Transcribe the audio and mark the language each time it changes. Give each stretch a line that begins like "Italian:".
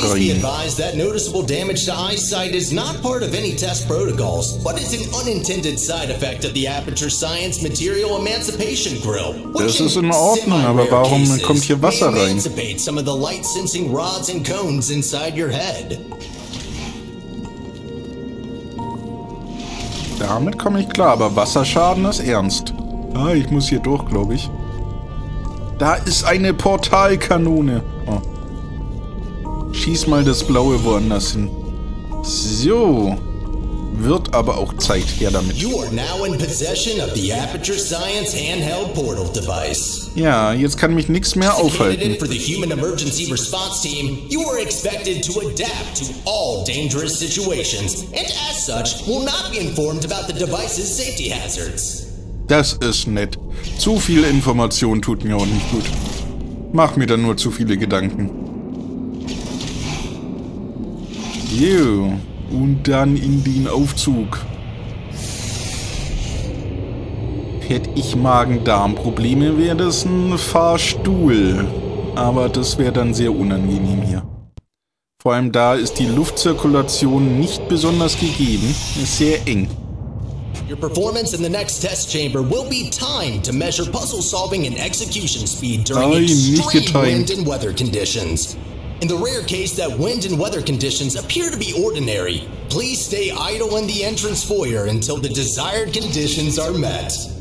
English: Please be advised that noticeable damage to eyesight is not part of any test protocols, but it's an unintended side effect of the Aperture Science Material Emancipation Grill.
German: Das ist in Ordnung, aber warum kommt hier Wasser rein?
English: Emancipate some of the light sensing rods and cones inside your head.
German: Damit komme ich klar, aber Wasserschaden ist ernst. Ah, ich muss hier durch, glaube ich. Da ist eine Portalkanone. Oh. Schieß mal das Blaue woanders hin. So. wird aber auch Zeit, her damit.
English: You are now in possession of the Aperture Science handheld portal device.
German: Ja, jetzt kann mich nichts mehr aufhalten.
English: For the human emergency response team, you are expected to adapt to all dangerous situations and as such will not be informed about the device's safety hazards.
German: Das ist nett. Zu viel Information tut mir auch nicht gut. Mach mir dann nur zu viele Gedanken. Juhu. Und dann in den Aufzug. Hätte ich Magen-Darm-Probleme, wäre das ein Fahrstuhl. Aber das wäre dann sehr unangenehm hier. Vor allem da ist die Luftzirkulation nicht besonders gegeben. Ist sehr eng.
English: Your performance in the next test chamber will be timed to measure puzzle solving and execution speed during extreme wind and weather conditions. In the rare case that wind and weather conditions appear to be ordinary, please stay idle in the entrance foyer until the desired conditions are met.